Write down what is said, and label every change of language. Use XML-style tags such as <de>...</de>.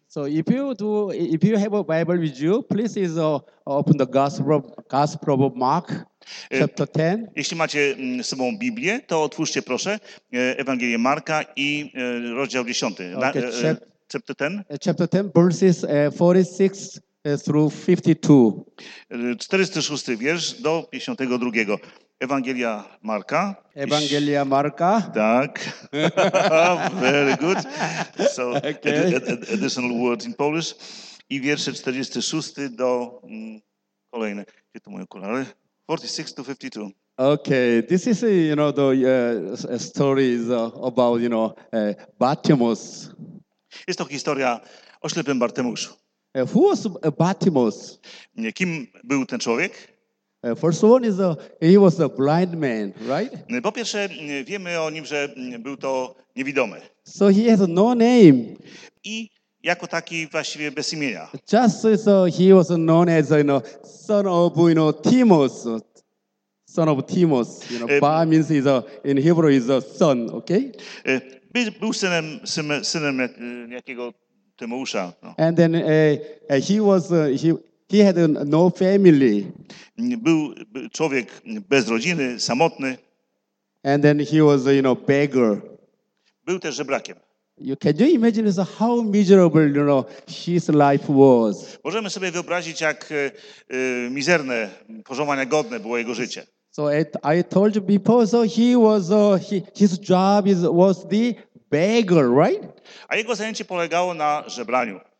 <en>So if you have a Bible with you, please open the Gospel of Mark, chapter 10.</en> <pl>Jeśli macie z sobą Biblię, to otwórzcie proszę Ewangelię Marka i rozdział 10.</pl> <en>Okay, chapter 10. Chapter 10, verses 46. Through 52.</en> <pl>46 wiersz do 52. Ewangelia Marka. Ewangelia Marka. Tak.</pl> <en>Very good. So, okay. Additional word in Polish.</en> <pl>I wiersze 46 do kolejne. Gdzie to moje okulary? 46 to 52.</pl> <en>Okay. This is, the story is about, Bartimaeus.</en> <pl>Jest to historia o ślepym Bartymuszu.</pl> <en>Who was Bartimaeus?</en> <pl>Kim był ten człowiek?</pl> <en>First one is he was a blind man, right?</en> <pl>Po pierwsze, wiemy o nim, że był to niewidomy.</pl> <en>So he has no name.</en> <pl>I jako taki właściwie bez imienia.</pl> <en>Just so he was known as son of Timos. Son of Timos. Bar means in Hebrew is a son, okay?</en> <pl>Był synem jakiego Tymusza,</pl> <en>And then he was he had no family.</en> <pl>Był człowiek bez rodziny, samotny.</pl> <en>And then he was beggar.</en> <pl>Był też żebrakiem.</pl> <en>Can you imagine how miserable his life was?</en> <pl>Możemy sobie wyobrazić, jak mizerne, pożądania godne było jego życie.</pl> <en>So I told you before, so he was his job was the beggar, right?</en> <pl>A jego zajęcie polegało na żebraniu.</pl>